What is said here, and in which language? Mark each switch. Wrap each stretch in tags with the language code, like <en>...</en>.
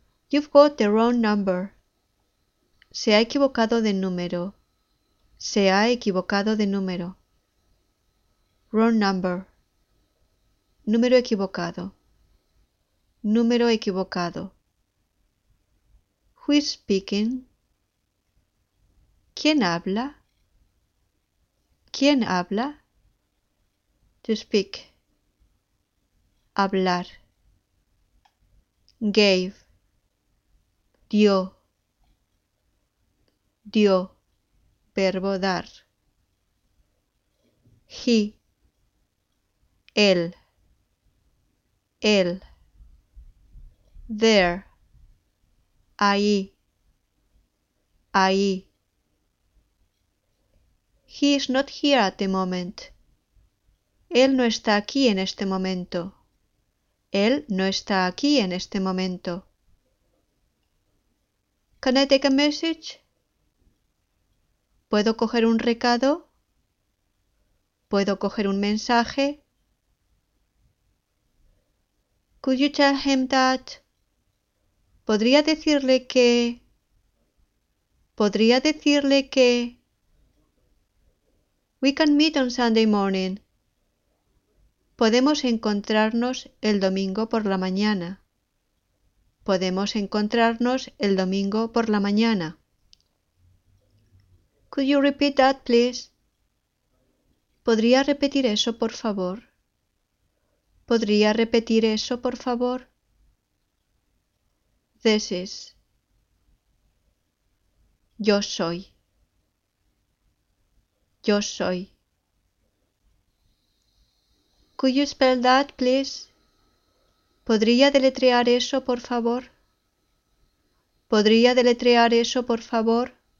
<en>You've got the wrong number.</en> <es>Se ha equivocado de número. Se ha equivocado de número.</es> <en>Wrong number.</en> <es>Número equivocado. Número equivocado.</es> <en>Who is speaking?</en> <es>¿Quién habla? ¿Quién habla?</es> <en>To speak.</en> <es>Hablar.</es> <en>Gave.</en> <es>Dio. Dio. Verbo dar.</es> <en>He.</en> <es>Él. Él.</es> <en>There.</en> <es>Ahí. Ahí.</es> <en>He is not here at the moment.</en> <es>Él no está aquí en este momento. Él no está aquí en este momento.</es> <en>Can I take a message?</en> <es>¿Puedo coger un recado? ¿Puedo coger un mensaje?</es> <en>Could you tell him that?</en> <es>¿Podría decirle que? ¿Podría decirle que?</es> <en>We can meet on Sunday morning.</en> <es>Podemos encontrarnos el domingo por la mañana. Podemos encontrarnos el domingo por la mañana.</es> <en>Could you repeat that, please?</en> <es>¿Podría repetir eso, por favor? ¿Podría repetir eso, por favor?</es> <en>This is.</en> <es>Yo soy. Yo soy.</es> <en>Could you spell that, please?</en> <es>¿Podría deletrear eso, por favor? ¿Podría deletrear eso, por favor?</es>